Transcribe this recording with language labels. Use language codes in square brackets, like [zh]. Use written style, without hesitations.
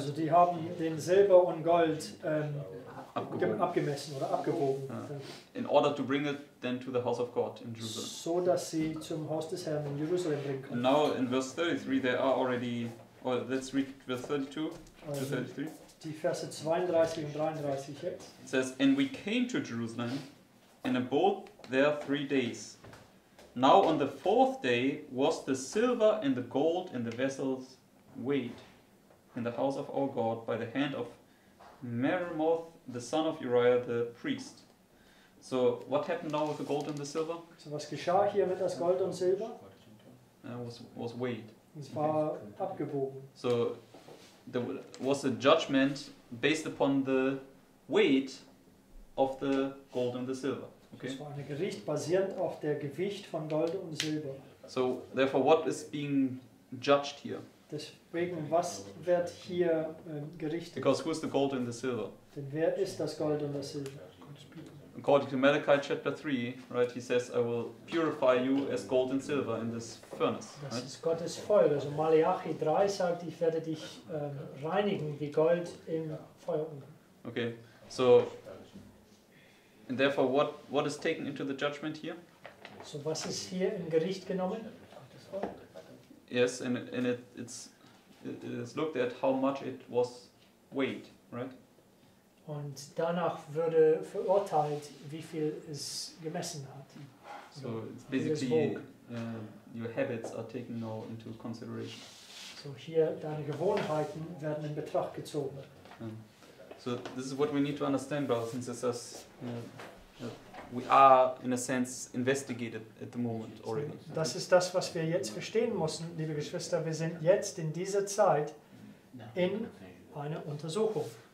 [de] Also die haben den Silber und Gold abgemessen oder abgewogen. Ah. [en] In order to bring it then to the house of God in Jerusalem. [de] So dass sie zum Haus des Herrn in Jerusalem bringen können. [en] And now in verse 33 they are already, or let's read verse 32 to 33. [de] Die Verse 32 und 33 jetzt. [en] It says, and we came to Jerusalem and abode there 3 days. Now on the fourth day was the silver and the gold and the vessels weighed in the house of our God by the hand of Meremoth, the son of Uriah, the priest. So what happened now with the gold and the silver? [de] So was geschah hier mit das Gold und Silber? [en] It was weighed. [de] Es war abgewogen. [en] So there was a judgment based upon the weight of the gold and the silver. Okay. [de] Das war ein Gericht basierend auf der Gewicht von Gold und Silber. [en] So, therefore, what is being judged here? [de] Deswegen, was wird hier gerichtet? [en] Because who is the gold and the silver? [de] Denn wer ist das Gold und das Silber? [en] According to Malachi chapter 3, right, he says, I will purify you as gold and silver in this furnace. [de] Das [en] right? [de] ist Gottes Feuer. Also Malachi 3 sagt, ich werde dich reinigen wie Gold im Feuer. [en] Okay, so... And therefore, what is taken into the judgment here? [de] So, was ist hier im Gericht genommen? [en] Yes, and it's looked at how much it was weighed, right? [de] Und danach würde verurteilt, wie viel es gemessen hat. [en] So, it's basically your habits are taken now into consideration. [de] So, hier deine Gewohnheiten werden in Betracht gezogen. [en] So this is what we need to understand, brothers and sisters. we are in a sense investigated at the moment already. [de] Das ist das, was wir jetzt verstehen müssen, liebe Geschwister. Wir sind jetzt in dieser Zeit in einer Untersuchung.